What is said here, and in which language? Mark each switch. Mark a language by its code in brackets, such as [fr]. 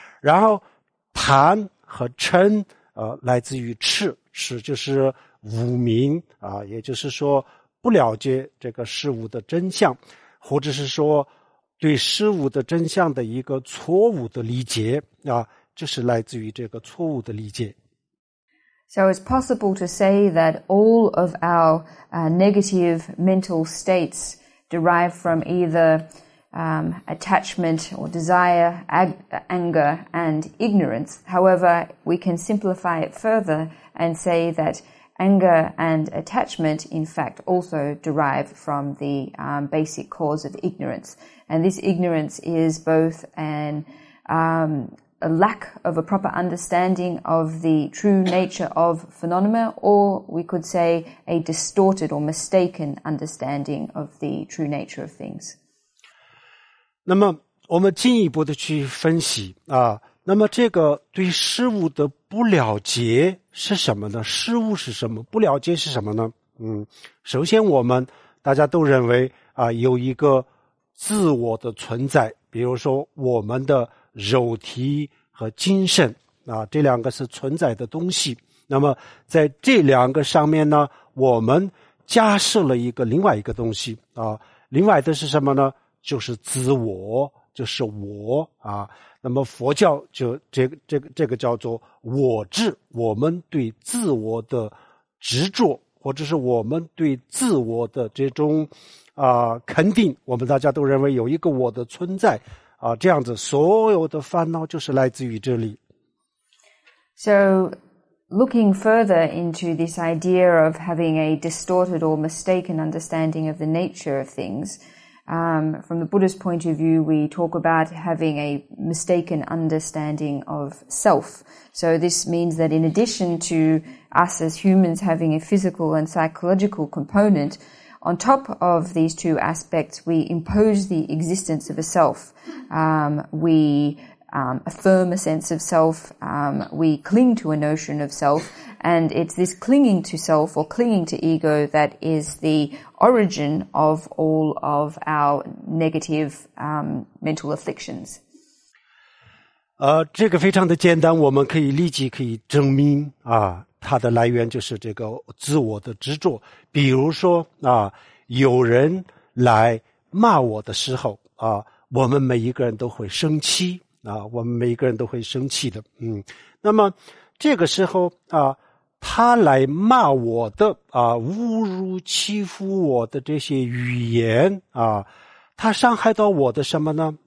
[zh] 然后贪和嗔来自于痴，痴就是无明啊，也就是说不了解这个事物的真相，或者是说对事物的真相的一个错误的理解啊，就是来自于这个错误的理解。 [en] So it's possible to say that all of our negative mental states derive from either attachment or desire, anger and ignorance. However, we can simplify it further and say that anger and attachment in fact also derive from the basic cause of ignorance. And this ignorance is both a lack of a proper understanding of the true nature of phenomena, or we could say a distorted or mistaken understanding of the true nature of things. [zh] 那么我们进一步的去分析啊，那么这个对事物的不了解是什么呢？事物是什么？不了解是什么呢？嗯，首先我们大家都认为啊，有一个自我的存在，比如说我们的肉体和精神啊，这两个是存在的东西。那么在这两个上面呢，我们加设了一个另外一个东西啊，另外的是什么呢？就是自我，就是我啊。那么佛教就这个叫做我执，我们对自我的执着，或者是我们对自我的这种肯定，我们大家都认为有一个我的存在啊，这样子所有的烦恼就是来自于这里。 [en] So looking further into this idea of having a distorted or mistaken understanding of the nature of things, from the Buddha's point of view, we talk about having a mistaken understanding of self. So this means that in addition to us as humans having a physical and psychological component, on top of these two aspects, we impose the existence of a self. We affirm a sense of self, we cling to a notion of self, and it's this clinging to self or clinging to ego that is the origin of all of our negative mental afflictions. [zh] 这个非常的简单，我们可以立即可以证明啊，它的来源就是这个自我的执着。比如说啊，有人来骂我的时候啊，我们每一个人都会生气。啊，我们每一个人都会生气的，那么这个时候啊，他来骂我的啊，侮辱欺负我的这些语言啊，他伤害到我的什么呢？